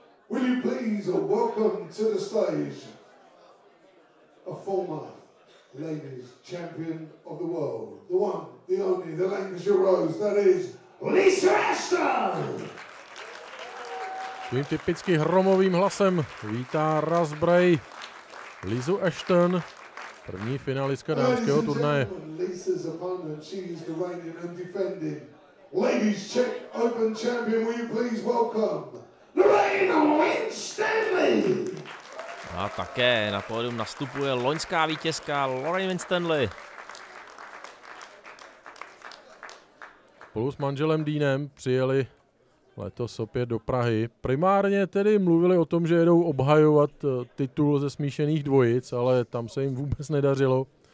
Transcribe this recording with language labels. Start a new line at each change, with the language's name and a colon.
English: Will you please welcome to the stage a former ladies champion of the world, the one, the only, the Lancashire Rose, that is Lisa Ashton!
Czech: Svým typicky hromovým hlasem vítá Razbrej Lizu Ashton, první finalistka dánského turnaje.
English: Lisa's opponent, she is the reigning and defending ladies Czech Open champion, will you please welcome
Czech: A také na pódium nastupuje loňská vítězka Lorraine Stanley. Spolu s manželem Deanem přijeli letos opět do Prahy. Primárně tedy mluvili o tom, že jedou obhajovat titul ze smíšených dvojic, ale tam se jim vůbec nedařilo.